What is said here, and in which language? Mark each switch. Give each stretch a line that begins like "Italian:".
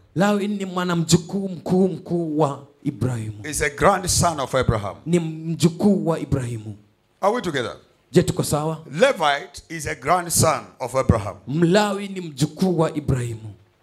Swahili: Lawi ni mwana mjukuu mkuu wa Ibrahimu.
English: Is a grandson of Abraham.
Swahili: Ni mjukuu wa Ibrahimu.
English: Are we together?
Swahili: Je, tuko sawa?
English: Levite is a grandson of Abraham.
Swahili: Mlawi ni mjukuu wa Ibrahimu.